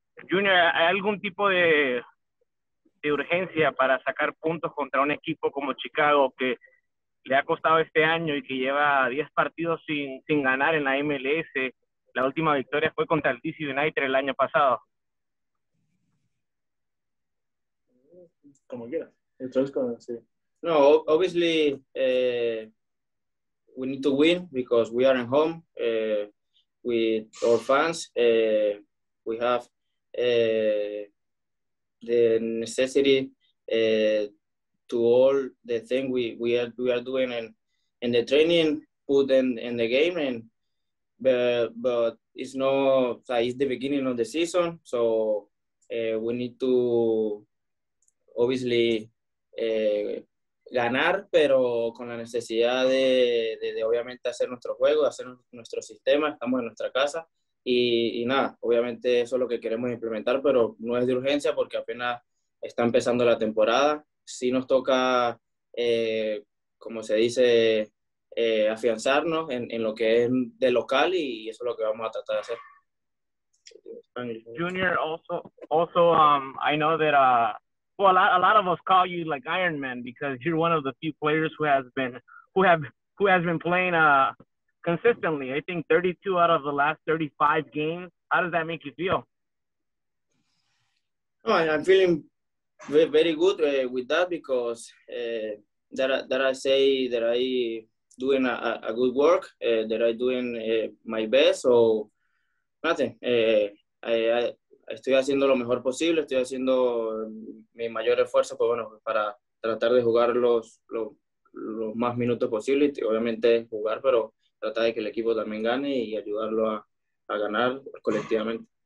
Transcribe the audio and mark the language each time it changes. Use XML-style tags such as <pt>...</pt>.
<es>Junior, ¿hay algún tipo de urgencia para sacar puntos contra un equipo como Chicago que le ha costado este año y que lleva 10 partidos sin ganar en la MLS? La última victoria fue contra el DC United el año pasado. Como quieras.</es> <en>No, obviously, we need to win because we are at home with our fans. We have the necessity to all the things we are doing in the training, put in the game, and but it's not like it's the beginning of the season, so we need to obviously</en> <es>ganar, pero con la necesidad de obviamente hacer nuestro juego, hacer nuestro sistema. Estamos en nuestra casa. Y nada, obviamente eso es lo que queremos implementar, pero no es de urgencia porque apenas está empezando la temporada. Sí nos toca, como se dice, afianzarnos en lo que es de local y eso es lo que vamos a tratar de hacer.</es> <en>Junior, also, I know that a lot of us call you like Iron Man because you're one of the few players who has been playing consistently. I think 32 out of the last 35 games. How does that make you feel? Oh, I'm feeling very good with that because that I say that I doing a good work, that I doing my best. So nothing. I</en> <es>estoy haciendo lo mejor posible. Estoy haciendo mi mayor esfuerzo, pues bueno, para tratar de jugar los más minutos posible. Y obviamente jugar, pero tratar de que el equipo también gane y ayudarlo a ganar colectivamente.</es>